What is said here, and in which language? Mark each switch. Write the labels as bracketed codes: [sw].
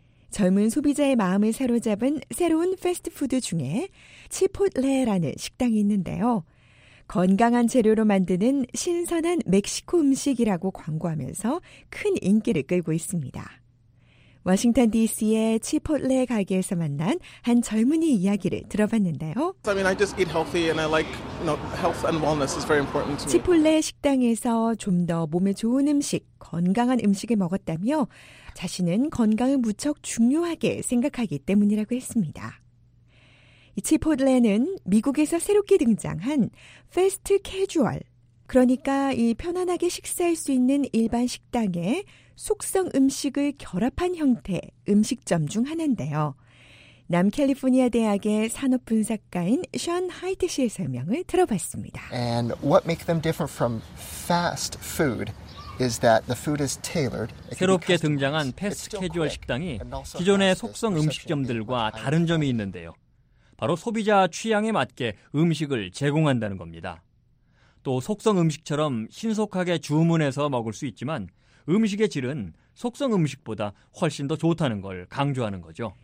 [ko] 젊은 소비자의 마음을 사로잡은 새로운 패스트푸드 중에 치포틀레라는 식당이 있는데요. 건강한 재료로 만드는 신선한 멕시코 음식이라고 광고하면서 큰 인기를 끌고 있습니다. 워싱턴 DC의 치포틀레 가게에서 만난 한 젊은이 이야기를 들어봤는데요. [en] I mean, I just eat healthy and I like, you know, health and wellness is very important to me. [ko] 치포틀레 식당에서 좀 더 몸에 좋은 음식, 건강한 음식을 먹었다며 자신은 건강을 무척 중요하게 생각하기 때문이라고 했습니다. 이 치포틀레는 미국에서 새롭게 등장한 패스트 캐주얼, 그러니까 이 편안하게 식사할 수 있는 일반 식당에 속성 음식을 결합한 형태 음식점 중 하나인데요. 남캘리포니아 대학의 산업분석가인 션 하이트 씨의 설명을 들어봤습니다. [en] And what makes them different from fast food is that the food is tailored. [ko] 새롭게 등장한 패스트 캐주얼 식당이 기존의 속성 음식점들과 다른 점이 있는데요. 바로 소비자 취향에 맞게 음식을 제공한다는 겁니다. 또 속성 음식처럼 신속하게 주문해서 먹을 수 있지만 음식의 질은 속성 음식보다 훨씬 더 좋다는 걸 강조하는 거죠.